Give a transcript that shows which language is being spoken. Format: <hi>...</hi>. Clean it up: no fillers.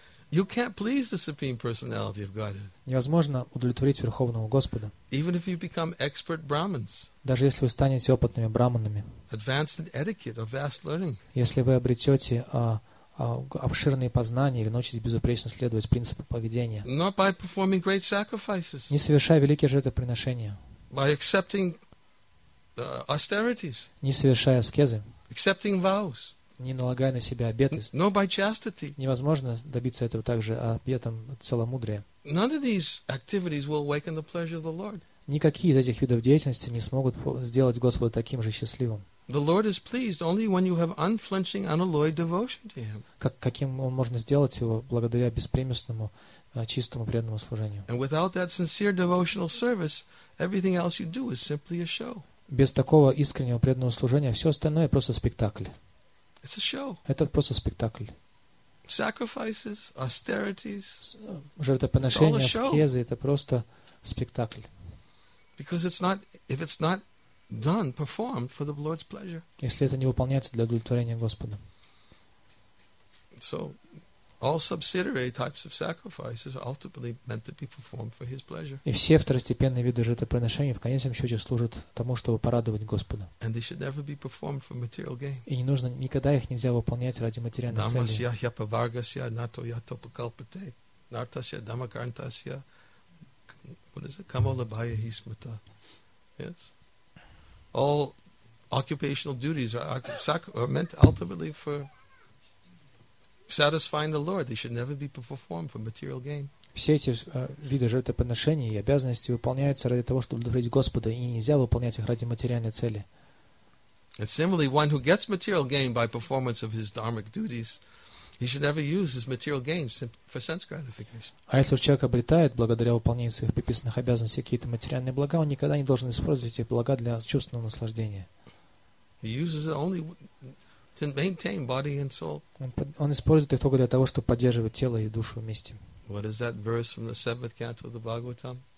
<en>You can't please the supreme personality of Godhead.</en> <ru>Невозможно удовлетворить Верховного Господа.</ru> <en>Even if you become expert brahmins.</en> <ru>Даже если вы станете опытными браманами.</ru> <en>Advanced in etiquette or vast learning.</en> <ru>Если вы обретете обширные познания или научитесь безупречно следовать принципам поведения.</ru> <en>Not by performing great sacrifices.</en> <ru>Не совершая великие жертвоприношения.</ru> <en>By accepting austerities.</en> <ru>Не совершая аскезы.</ru> <en>Accepting vows.</en> <ru>Не налагая на себя обеты.</ru> <en>No, by chastity.</en> <ru>Невозможно добиться этого также обетом целомудрия.</ru> <en>None of these activities will awaken the pleasure of the Lord.</en> <ru>Никакие из этих видов деятельности не смогут сделать Господа таким же счастливым.</ru> <en>The Lord is pleased only when you have unflinching, unalloyed devotion to Him.</en> <ru>Каким он можно сделать его благодаря беспримесному, чистому преданному служению?</ru> <en>And without that sincere devotional service, everything else you do is simply a show.</en> <ru>Без такого искреннего преданного служения все остальное просто спектакль.</ru> <en>It's a show.</en> <ru>Это просто спектакль.</ru> <en>Sacrifices, austerities.</en> <ru>Жертвоприношения, аскезы — это просто спектакль.</ru> <en>Because it's not, if it's not done, performed for the Lord's pleasure.</en> <ru>Если это не выполняется для удовлетворения Господа.</ru> <en>So, all subsidiary types of sacrifices are ultimately meant to be performed for His pleasure.</en> <ru>И все второстепенные виды жертвоприношений в конечном счете служат тому, чтобы порадовать Господа.</ru> <en>And they should never be performed for material gain.</en> <ru>И не нужно, никогда их нельзя выполнять ради материальной цели.</ru> <sa>Дамасья хьяпаваргасья нато ятопакалпате нартасья дамакарнтасья камолабхая хисмата.</sa> <en>Yes? All occupational duties are meant ultimately for satisfying the Lord. They should never be performed for material gain.</en> <ru>Все эти виды жертвоприношений и обязанности выполняются ради того, чтобы удовлетворить Господа, и нельзя выполнять их ради материальной цели.</ru> <en>And similarly, one who gets material gain by performance of his dharmic duties, he should never use his material gain for sense gratification.</en> <ru>А если человек обретает благодаря выполнению своих приписанных обязанностей какие-то материальные блага, он никогда не должен использовать эти блага для чувственного наслаждения.</ru> <en>He uses it only to maintain body and soul.</en> <ru>Он использует их только для того, чтобы поддерживать тело и душу вместе.</ru> <en>What is that verse from the seventh canto of the Bhagavatam?</en>